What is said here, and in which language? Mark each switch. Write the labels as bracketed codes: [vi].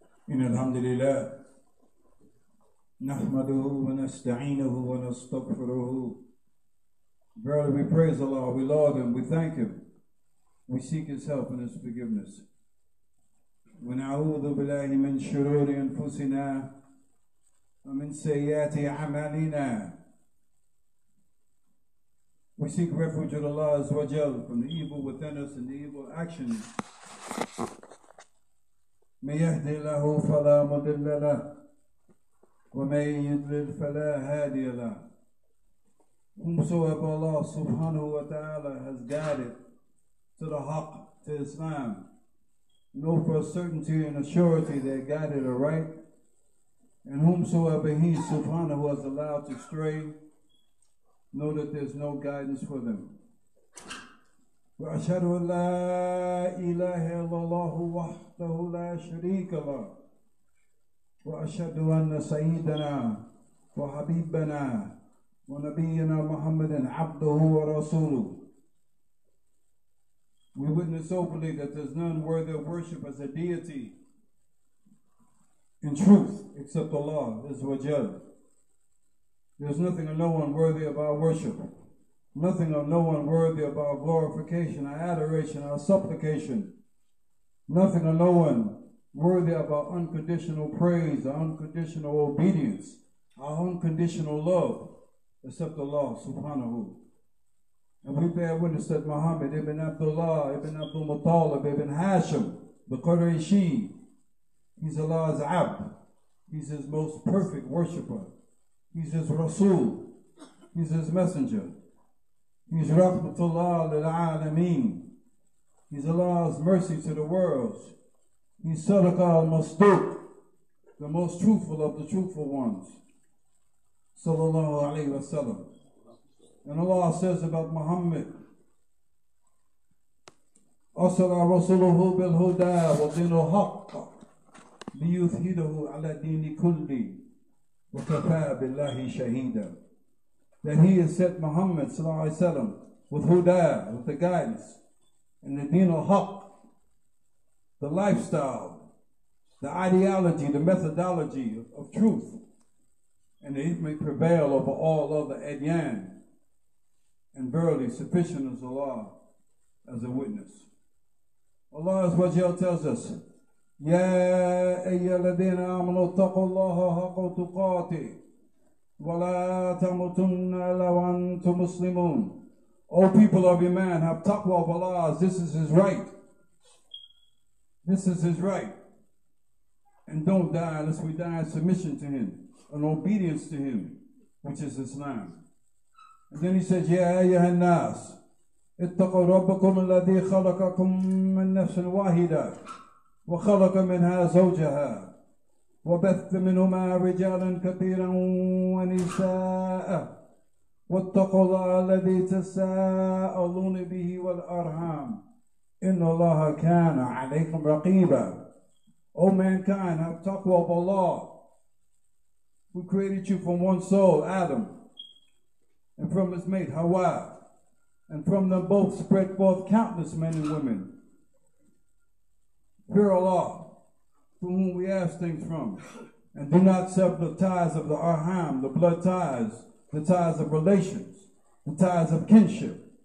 [ar] إن الحمد لله نحمده ونستعينه ونستغفره. [en] Verily we praise Allah, we laud Him, we thank Him, we seek His help and His forgiveness. [ar] ونعوذ بالله من شرور أنفسنا ومن سيئات أعمالنا. [en] We seek refuge in Allah Azza wa Jal from the evil within us and the evil actions. [ar] من يهدي له فلا مضل له ومن يضلل فلا هادي له. [en] Whomsoever Allah subhanahu wa ta'ala has guided to the haqq, to Islam, know for a certainty and a surety they guided aright. And whomsoever he subhanahu has allowed to stray, know that there's no guidance for them. [ar] وأشهد أن لا إله إلا الله وحده لا شريك له وأشهد أن سيدنا وحبيبنا ونبينا محمد عبده ورسوله. [en] We witness openly that there's none worthy of worship as a deity in truth except Allah Azza wa Jal. There's nothing or no one worthy of our worship. Nothing or no one worthy of our glorification, our adoration, our supplication. Nothing or no one worthy of our unconditional praise, our unconditional obedience, our unconditional love, except Allah subhanahu. And we bear witness that Muhammad ibn Abdullah ibn Abdul Muttalib ibn Hashim, the Qurayshi, he's Allah's abd. He's his most perfect worshiper. He's his Rasul. He's his messenger. He's Rahmatullah lil Alameen. He's Allah's mercy to the worlds. He's Sadaqah al-Masduq, the most truthful of the truthful ones. Sallallahu alayhi wa sallam. And Allah says about Muhammad, [ar] أَصَلَ رَسُولُهُ بِالْهُدَى وَدِينُ الْحَقَّ لِيُثْهِدَهُ عَلَى دِينِ كُلِّ وَكَفَى بِاللَّهِ شَهِيدًا. [en] That he has sent Muhammad sallallahu alayhi wa sallam with huda, with the guidance, and the deen al-haq, the lifestyle, the ideology, the methodology of truth, and that it may prevail over all other adyan, and verily sufficient is Allah as a witness. Allah Azza wa Jal tells us, [ar] Ya ayyuhalladhina amanu taqullaha haqqa tuqatih وَلَا تَمُوتُنَّ إِلَّا وَأَنْتُمْ مُسْلِمُونَ. [en] O people of Iman, have taqwa of Allah, this is His right. This is His right. And don't die unless we die in submission to Him, in obedience to Him, which is Islam. And then He says, [ar] يَا أَيُّهَا النَّاسُ اتَّقُوا رَبَّكُمُ الَّذِي خَلَقَكُم مِّن نَّفْسٍ وَاحِدَةٍ وخلق منها زوجها وبث منهما رجالا كثيرا ونساء واتقوا الله الذي تساءلون به والأرحام إن الله كان عليكم رقيبا. [en] O mankind, have taqwa of Allah, who created you from one soul, Adam, and from his mate, Hawa, and from them both spread forth countless men and women. Fear Allah, from whom we ask things from, and do not sever the ties of the arham, the blood ties, the ties of relations, the ties of kinship.